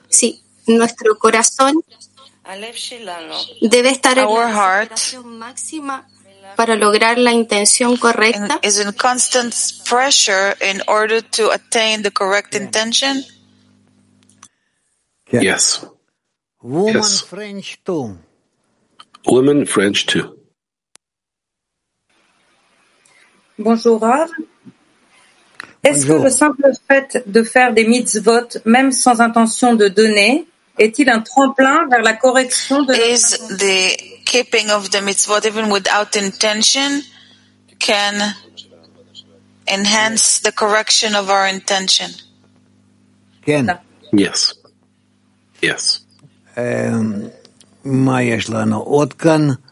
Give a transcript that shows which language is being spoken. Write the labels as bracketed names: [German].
[Spanish] Sí, nuestro corazón debe estar en [English] our heart [Spanish] máxima para lograr la intención correcta. [English] Is in constant pressure in order to attain the correct intention. Yes. Woman yes. French 2. Woman French 2. [French] Bonjour, Rav. Est-ce que le simple fait de faire des mitzvot, même sans intention de donner, est-il un tremplin vers la correction de... [English] Is the keeping of the mitzvot, even without intention, can enhance the correction of our intention? Can. Yes. Yes. [Hebrew] Ma yesh lano ot kan?